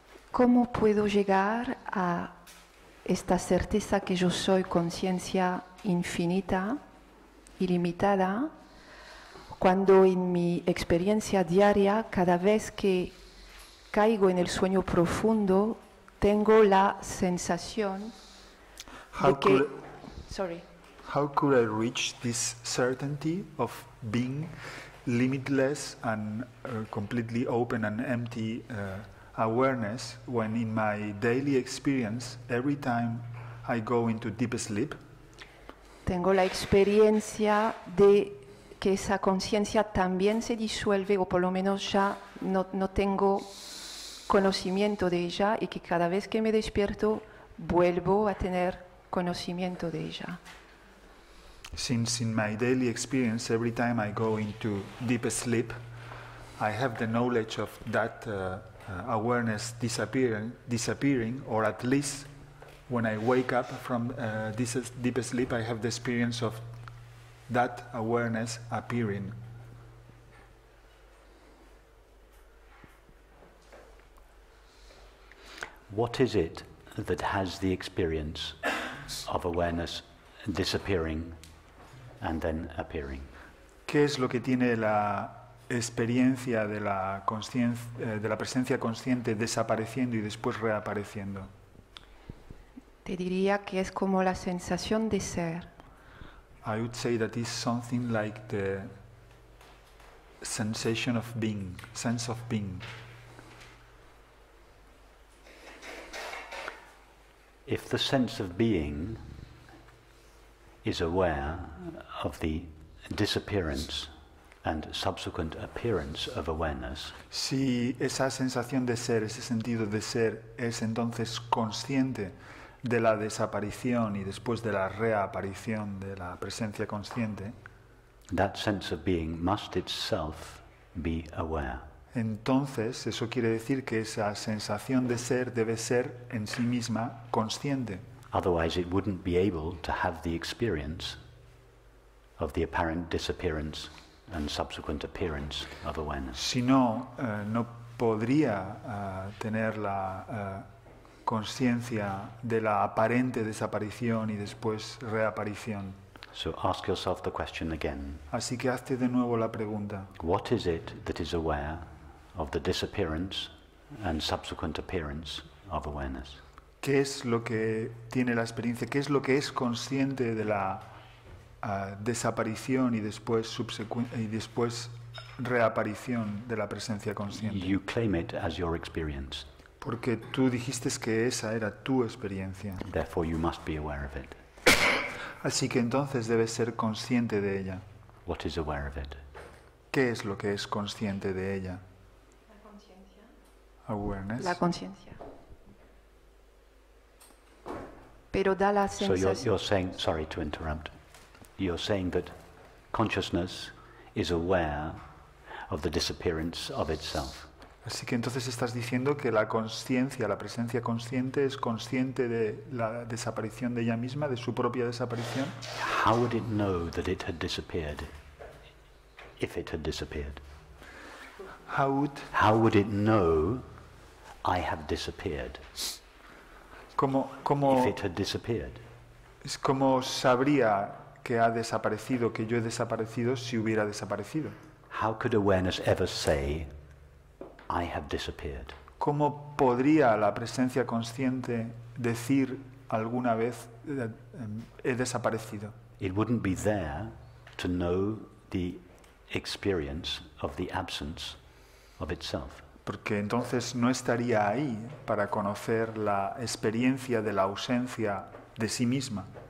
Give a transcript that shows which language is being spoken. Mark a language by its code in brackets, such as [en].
[es] ¿Cómo puedo llegar a esta certeza que yo soy conciencia infinita, ilimitada, cuando en mi experiencia diaria, cada vez que caigo en el sueño profundo, tengo la sensación de que... [en] How could I reach this certainty of being limitless and completely open and empty awareness when in my daily experience, every time I go into deep sleep? [es] Tengo la experiencia de que esa conciencia también se disuelve, o por lo menos ya no tengo conocimiento de ella, y que cada vez que me despierto vuelvo a tener conocimiento de ella. [en] Since in my daily experience, every time I go into deep sleep, I have the knowledge of that awareness disappearing, or at least when I wake up from this deep sleep, I have the experience of that awareness appearing. What is it that has the experience of awareness disappearing and then appearing? [es] ¿Qué es lo que tiene la experiencia de la consciencia, de la presencia consciente desapareciendo y después reapareciendo? Te diría que es como la sensación de ser. [en] I would say that is something like the sensation of being, sense of being. If the sense of being is aware of the disappearance and subsequent appearance of awareness. [es] Si esa sensación de ser, ese sentido de ser, es entonces consciente de la desaparición y después de la reaparición de la presencia consciente. [en] That sense of being must itself be aware. [es] Entonces, eso quiere decir que esa sensación de ser debe ser en sí misma consciente. [en] Otherwise, it wouldn't be able to have the experience of the apparent disappearance and subsequent appearance of awareness. [es] Si no, no podría tener la conciencia de la aparente desaparición y después reaparición. [en] So ask yourself the question again. [es] Así que hazte de nuevo la pregunta. [en] What is it that is aware of the disappearance and subsequent appearance of awareness? [es] ¿Qué es lo que tiene la experiencia? ¿Qué es lo que es consciente de la desaparición y después reaparición de la presencia consciente? [en] You claim it as your experience. [es] Porque tú dijiste que esa era tu experiencia. [en] Therefore you must be aware of it. [es] Así que entonces debes ser consciente de ella. [en] What is aware of it? [es] ¿Qué es lo que es consciente de ella? [en] Awareness. [es] La conciencia. Pero da la sensación. [en] So you're saying, sorry to interrupt, you're saying that consciousness is aware of the disappearance of itself. [es] Así que entonces estás diciendo que la conciencia, la presencia consciente, es consciente de la desaparición de ella misma, de su propia desaparición. [en] How would it know that it had disappeared if it had disappeared? How would it know I have disappeared? [es] ¿Cómo [en] if it had disappeared? [es] Es como sabría que ha desaparecido, que yo he desaparecido, si hubiera desaparecido. [en] How could awareness ever say I have disappeared? [es] ¿Cómo podría la presencia consciente decir alguna vez he desaparecido? [en] It wouldn't be there to know the experience of the absence of itself. [es] Porque entonces no estaría ahí para conocer la experiencia de la ausencia de sí misma.